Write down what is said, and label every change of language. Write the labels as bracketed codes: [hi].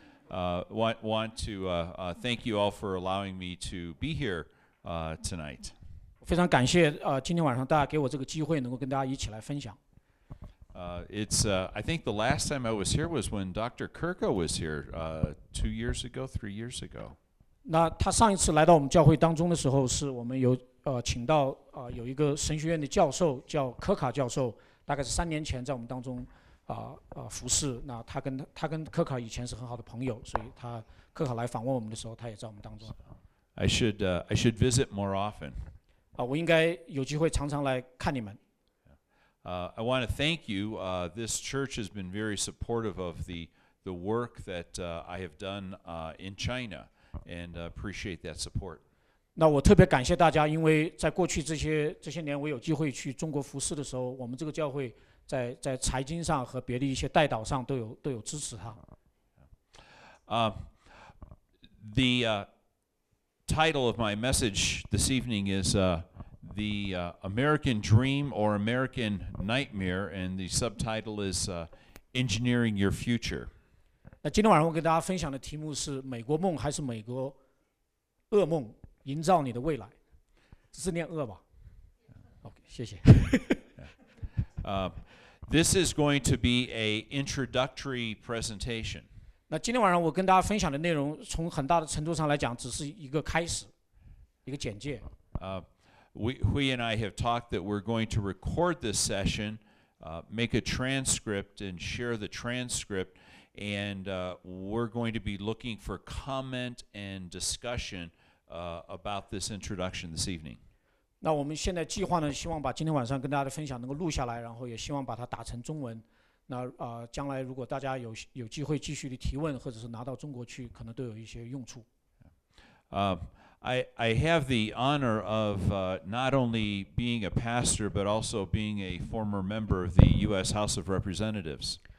[en] Want to thank you all for allowing me to be here tonight. [zh] 非常感谢今天晚上大家给我这个机会，能够跟大家一起来分享。 [en] I think the last time I was here was when Dr. Kirko was here 2 years ago, 3 years ago. [zh] 那他上一次来到我们教会当中的时候，是我们有请到有一个神学院的教授叫科卡教授。大概是3年前在我们当中服侍。那他跟科卡以前是很好的朋友，所以他科卡来访问我们的时候，他也在我们当中。 [en] I should visit more often. [zh] 我应该有机会常常来看你们。 [en] I want to thank you. This church has been very supportive of the work that I have done in China, and appreciate that support. [zh] 那我特别感谢大家，因为在过去这些年，我有机会去中国服事的时候，我们这个教会在财经上和别的一些代祷上都有支持他。 [en] The title of my message this evening is American Dream or American Nightmare, and the subtitle is Engineering Your Future. [zh] 那今天晚上我跟大家分享的题目是美国梦还是美国噩梦？营造你的未来，是念恶吧 ？OK， 谢谢。 [en] This is going to be a introductory presentation. [zh] 那今天晚上我跟大家分享的内容，从很大的程度上来讲，只是一个开始，一个简介。 [en] Hui and I have talked that we're going to record this session, make a transcript and share the transcript, and we're going to be looking for comment and discussion. About this introduction this evening. [zh] 那我们现在计划呢，希望把今天晚上跟大家的分享能够录下来，然后也希望把它打成中文。那将来如果大家有机会继续的提问，或者是拿到中国去，可能都有一些用处。 [en] I have the honor of not only being a pastor, but also being a former member of the U.S. House of Representatives.